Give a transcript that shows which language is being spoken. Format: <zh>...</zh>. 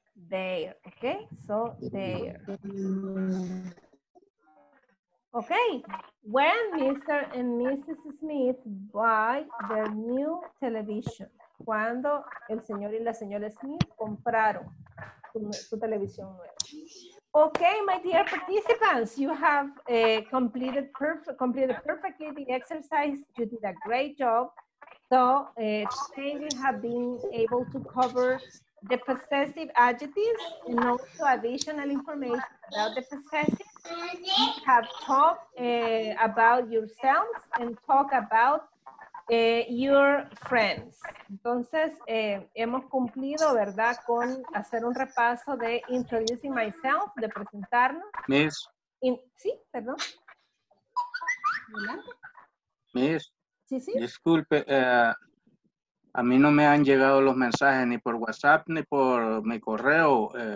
<en>There, okay? So, there. Okay. When Mr. and Mrs. Smith buy their new television?</en> <es>Cuando el señor y la señora Smith compraron su televisión nueva.</es> <en>Okay, my dear participants, you have completed perfectly the exercise. You did a great job. So, today we have been able to cover the possessive adjectives and also additional information about the possessive. We have talked about yourselves and talk about your friends.</en> <es>Entonces, hemos cumplido, ¿verdad?, con hacer un repaso de</es> <en>introducing myself,</en> <es>de presentarnos.</es> <en>Miss.</en> <es>Sí, perdón. Miss. Sí, sí. Disculpe, a mí no me han llegado los mensajes ni por WhatsApp ni por mi correo.</es>